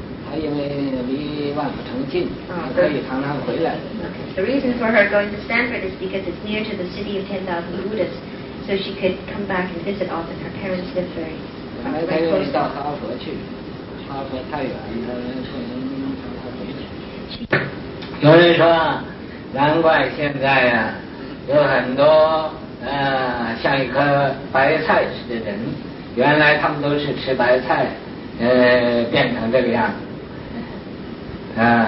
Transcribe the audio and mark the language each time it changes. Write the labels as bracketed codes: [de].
[zh] 他因为离万福城近，可以常常回来。 [en] The reason for her going to Stanford is because it's near to the city of 10,000 Buddhas, so she could come back and visit often. Her parents live very close. [zh] 他又到哈佛去，哈佛太远，他可能常常回去。有人说，难怪现在有很多像一颗白菜似的人，原来他们都是吃白菜变成这个样子。